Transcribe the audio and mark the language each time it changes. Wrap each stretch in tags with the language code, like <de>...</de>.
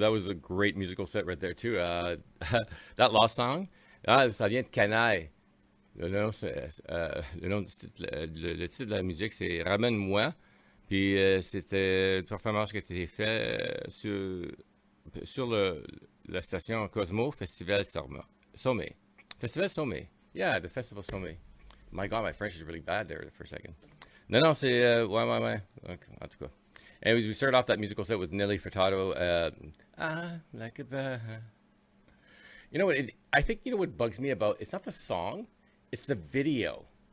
<en>That was a great musical set right there, too. That lost song,</en> <fr>ça vient de Canaille. Le titre de la musique, c'est Ramène-moi. Puis c'était une performance qui a été faite sur la station Cosmo Festival Sommet.</fr> <en>Festival Sommet. Yeah, the Festival Sommet. My God, my French is really bad there for a second. No,</en> <fr>c'est...</fr> <en>Why? Okay,</en> <fr>en tout cas.</fr> <en>Anyways, we started off that musical set with Nelly Furtado. Like a bird. You know what? I think what bugs me about... It's not the song. It's the video.</en>